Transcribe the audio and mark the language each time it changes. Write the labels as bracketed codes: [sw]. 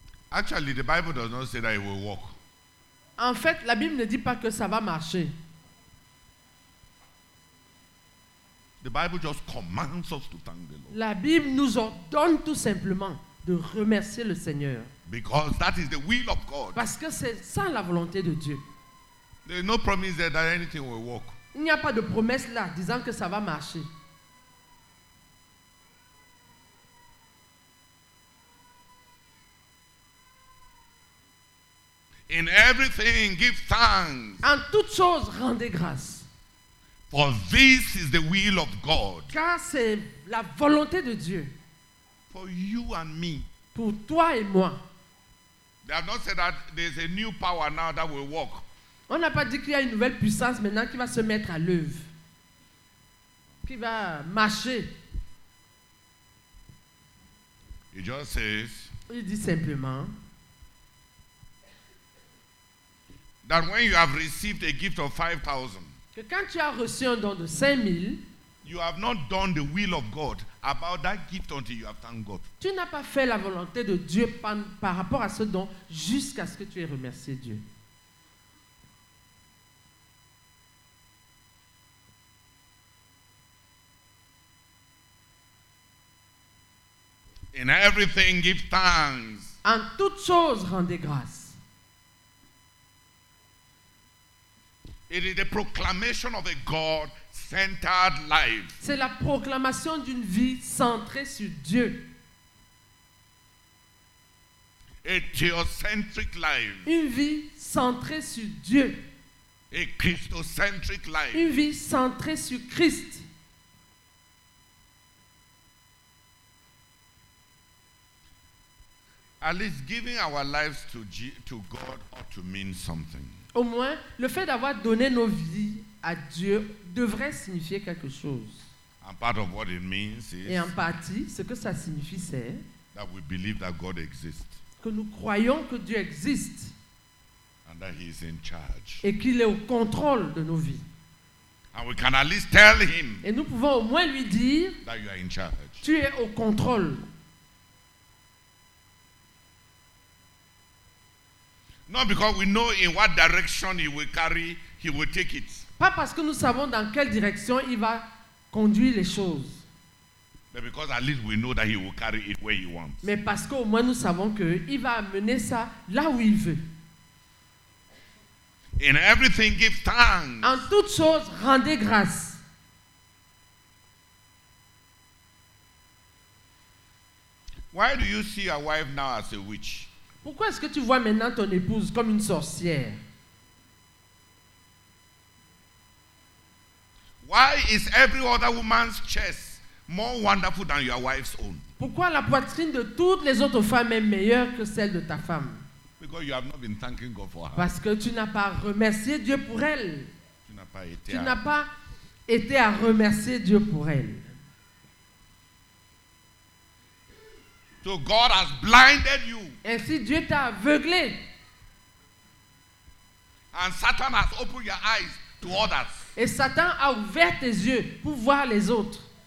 [en] Actually, the Bible does not say that it will work. [fr] En fait, la Bible ne dit pas que ça va marcher. [en] The Bible just commands us to thank the Lord. [fr] La Bible nous ordonne tout simplement de remercier le Seigneur. [en] Because that is the will of God. [fr] Parce que c'est ça la volonté de Dieu. [en] There is no promise there that anything will work. [fr] Il n'y a pas de promesse là disant que ça va marcher. [en] In everything, give thanks. [fr] En toute chose, rendez grâce. [en] For this is the will of God. [fr] Car c'est la volonté de Dieu. [en] For you and me. [fr] Pour toi et moi. [en] They have not said that there's a new power now that will work. [fr] On n'a pas dit qu'il y a une nouvelle puissance maintenant qui va se mettre à l'œuvre, qui va marcher. [en] He just says. [fr] Il dit simplement. [en] That when you have received a gift of 5,000, [fr] que quand tu as reçu un don de 5,000, [en] you have not done the will of God about that gift until you have thanked God. [fr] Tu n'as pas fait la volonté de Dieu par rapport à ce don jusqu'à ce que tu aies remercié Dieu. [en] In everything, give thanks. [fr] En toute chose, rendez grâce. [en] It is the proclamation of a God-centered life. [fr] C'est la proclamation d'une vie centrée sur Dieu. [en] A theocentric life. [fr] Une vie centrée sur Dieu. [en] A Christocentric life. [fr] Une vie centrée sur Christ. [en] At least giving our lives to God ought to mean something. [fr] Au moins, le fait d'avoir donné nos vies à Dieu devrait signifier quelque chose. [en] And part of what it means is [fr] et en partie, ce que ça signifie, c'est [en] that we believe that God exists. [fr] Que nous croyons que Dieu existe [en] and that he is in charge. [fr] Et qu'il est au contrôle de nos vies. [en] And we can at least tell him [fr] et nous pouvons au moins lui dire [en] that you are in charge. [fr] Tu es au contrôle. [en] Not because we know in what direction he will carry, he will take it. [fr] Pas parce que nous savons dans quelle direction il va conduire les choses. [en] But because at least we know that he will carry it where he wants. [fr] Mais parce qu'au moins nous savons que il va amener ça là où il veut. [en] In everything, give thanks. [fr] En toute chose, rendez grâce. [en] Why do you see your wife now as a witch? [fr] Pourquoi est-ce que tu vois maintenant ton épouse comme une sorcière? [en] Why is every other woman's chest more wonderful than your wife's own? [fr] Pourquoi la poitrine de toutes les autres femmes est meilleure que celle de ta femme? [en] Because you have not been thanking God for her. [fr] Parce que tu n'as pas remercié Dieu pour elle. Tu n'as pas été à remercier Dieu pour elle. [en] So God has blinded you. [fr] Ainsi Dieu t'a aveuglé. [en] And Satan has opened your eyes to others. [fr] Et Satan a ouvert tes yeux pour voir les autres.